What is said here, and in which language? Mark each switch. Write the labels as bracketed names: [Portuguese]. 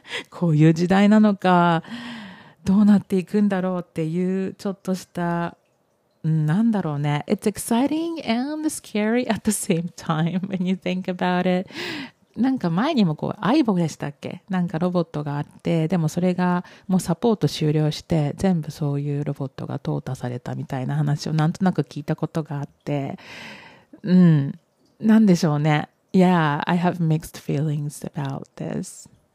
[Japanese] こういう時代なのかどうなっていくんだろうっていうちょっとしたなんだろうね。 [English] It's exciting and scary at the same time when you think about it. [Japanese] なんか前にもこう、iVo でしたっけ?なんかロボットがあって、でもそれがもうサポート終了して、全部そういうロボットが淘汰されたみたいな話をなんとなく聞いたことがあって、なんでしょうね。 [English] Yeah, I have mixed feelings about this.